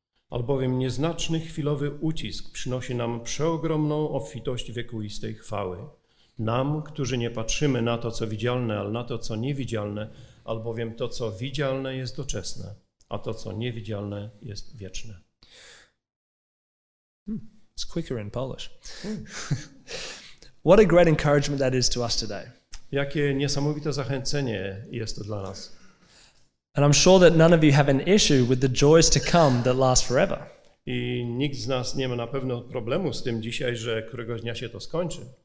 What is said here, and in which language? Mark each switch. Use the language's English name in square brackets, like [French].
[Polish] Albowiem nieznaczny chwilowy ucisk przynosi nam przeogromną obfitość wiekuistej chwały. Nam, którzy nie patrzymy na to, co widzialne, ale na to, co niewidzialne, albowiem to, co widzialne, jest doczesne, a to, co niewidzialne, jest wieczne. [English] It's quicker in Polish. What a great encouragement that is to us today. [Polish] Jakie niesamowite zachęcenie jest to dla nas. [English] And I'm sure that none of you have an issue with the joys to come that last forever. [Polish] I nikt z nas nie ma na pewno problemu z tym dzisiaj, że któregoś dnia się to skończy.